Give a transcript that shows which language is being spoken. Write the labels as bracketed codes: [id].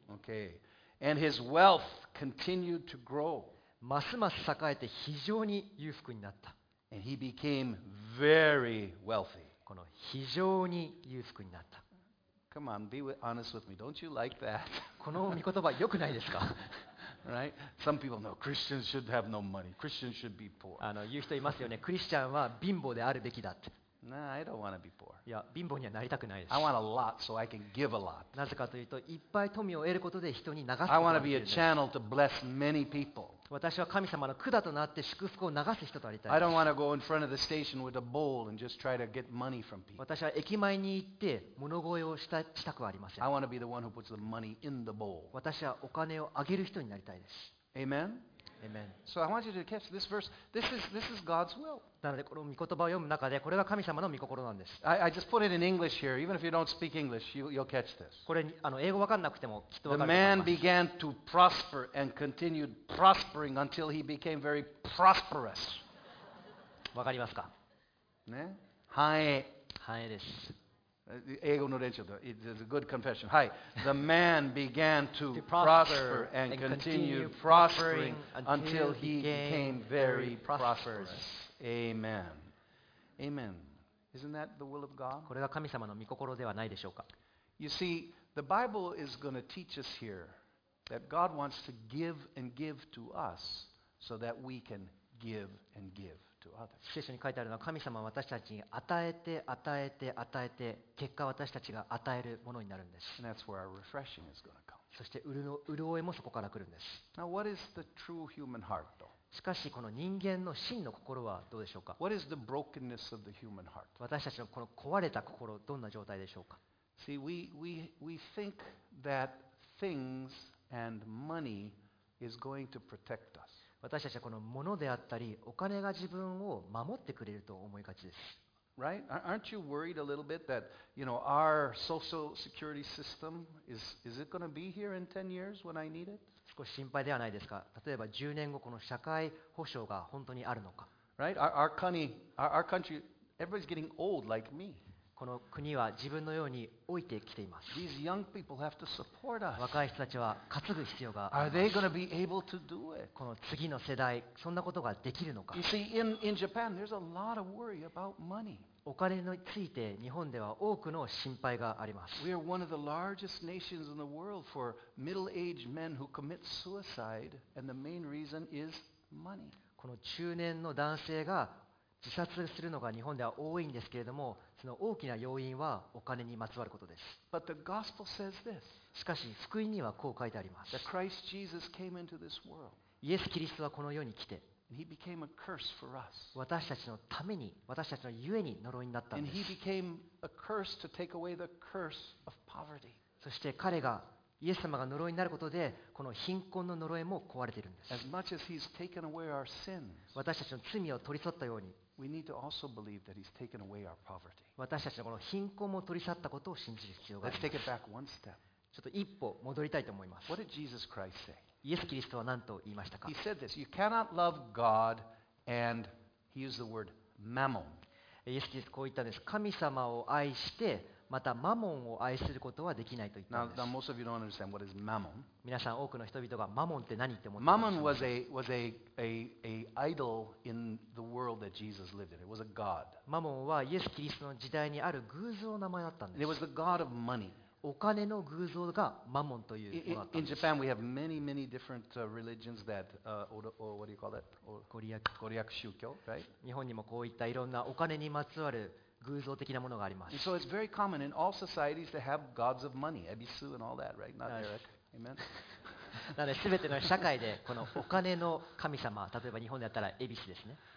[en] Okay. And his wealth continued to grow. [ja] ますます栄えて非常に裕福になった。 [en] And he became very wealthy. [ja] この非常に裕福になった。 [en] Come on, be honest with me. Don't you like that? [ja] この御言葉良くないですか？ [en] Right? Some people know Christians should have no money. Christians should be poor. [ja] 言う人いますよね。クリスチャンは貧乏であるべきだって。 [en] Nah, I don't want to be poor. [ja] いや、貧乏にはなりたくないです。 [en] I want a lot so I can give a lot. [ja] なぜかというと、いっぱい富を得ることで人に流すことができる。 [en] I want to be a channel to bless many people. [ja] 私は神様の管となって祝福を流す人となりたい。 [en] I don't want to go in front of the station with a bowl and just try to get money from people. [ja] 私は駅前に行って物乞いをしたくはありません。 [en] I want to be the one who puts the money in the bowl. [ja] 私はお金をあげる人になりたいです。 [en] Amen? Amen. So I want you to catch this verse. This is God's will. [ja] なのでこの御言葉を読む中でこれが神様の御心なんです。 [en] I just put it in English here. Even if you don't speak English, you'll catch this. [ja] これ英語わかんなくてもきっとわかると思います。 [en] The man began to prosper and continued prospering until he became very prosperous. [ja] わかりますか？ね？繁栄。繁栄です。英語の練習で、 [en] It's a good confession. Hi. The man began to prosper and continued prospering until he became very prosperous. Amen. Amen. Isn't that the will of God? [ja] これが神様の御心ではないでしょうか。 [en] You see, the Bible is going to teach us here that God wants to give and give to us so that we can give and give. [ja] 聖書に書いてあるのは神様は私たちに与えて与えて与えて結果私たちが与えるものになるんです。 [en] And that's where our refreshing is going to come. [ja] そして潤いもそこから来るんです。 [en] Now, what is the true human heart, though? [ja] しかしこの人間の真の心はどうでしょうか。 [en] What is the brokenness of the human heart? [ja] 私たちのこの壊れた心どんな状態でしょうか。 [en] See, we think that things and money is going to protect us. [ja] 私たちはこの物であったりお金が自分を守ってくれると思いがちです。 [en] Right? Aren't you worried a little bit that, you know, our social security system is it going to be here in 10 years when I need it? [ja] 少し心配ではないですか。例えば10年後この社会保障が本当にあるのか。 [en] Right? Our country, everybody's getting old like me. [ja] この国は自分のように老いてきています。 [en] These young people have to support us. [ja] 若い人たちは担ぐ必要があります。 [en] Are they going to be able to do it? [ja] この次の世代そんなことができるのか。 [en] You see, in Japan, there's a lot of worry about money. [ja] お金について日本では多くの心配があります。 [en] We are one of the largest nations in the world for middle-aged men who commit suicide, and the main reason is money. [ja] この中年の男性が自殺するのが日本では多いんですけれども、その大きな要因はお金にまつわることです。 [en] But the gospel says this. [ja] しかし福音にはこう書いてあります。 [en] That Christ Jesus came into this world. [ja] イエス・キリストはこの世に来て、 [en] And he became a curse for us. [ja] 私たちのために、私たちのゆえに呪いになったんです。 [en] And he became a curse to take away the curse of poverty. [ja] そして彼が、イエス様が呪いになることで、この貧困の呪いも壊れているんです。 [en] As much as he's taken away our sins, [ja] 私たちの罪を取り去ったように、 [en] We need to also believe that he's taken away our poverty. [ja] 私たちのこの貧困も取り去ったことを信じる必要があります。 [en] Let's take it back one step. [ja] ちょっと一歩戻りたいと思います。 [en] What did Jesus Christ say? [ja] イエス・キリストは何と言いましたか。 [en] He said this. You cannot love God and he used the word mammon. [ja] イエス・キリストはこう言ったんです。神様を愛して、またマモンを愛することはできないと言ったんです。 [en] Now most of you don't understand what is mammon. [ja] 皆さん多くの人々がマモンって何って思ってます。 [en] Mammon was a idol in the world that Jesus lived in. It was a god. [ja] マモンはイエス・キリストの時代にある偶像の名前だったんです。 [en] It was the god of money. [ja] お金の偶像がマモンというものだったんです。 [en] In Japan we have many many different religions that what do you call that? [ja] Goryak shukyo, [en] right? [ja] 日本にもこういったいろんなお金にまつわる偶像的なものがあります。 [en] So it's very common in all societies to have gods of money, ebisu and all that, right? Not Eric. Amen. [ja] なので全ての社会でこのお金の神様、例えば日本だったらエビスですね。